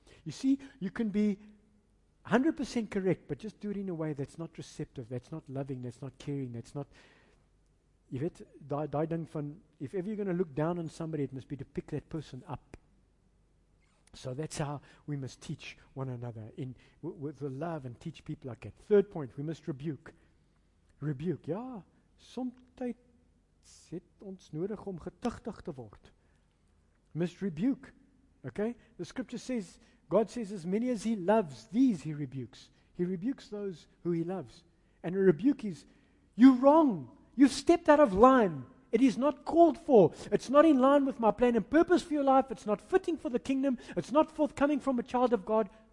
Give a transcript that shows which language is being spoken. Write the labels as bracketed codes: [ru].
[en] You see, you can be 100% correct, but just do it in a way that's not receptive, that's not loving, that's not caring, that's not. If it [af] die ding van, [en] if ever you're going to look down on somebody, it must be to pick that person up. So that's how we must teach one another in with the love and teach people like that. Third point, we must rebuke. [af] Rebuke, ja, somtijds het ons nodig om getuchtig te word. [en] Must rebuke, okay? The scripture says, God says, as many as he loves, these he rebukes. He rebukes those who he loves. And a rebuke is, you're wrong. You've stepped out of line. It is not called for. It's not in line with my plan and purpose for your life. It's not fitting for the kingdom. It's not forthcoming from a child of God.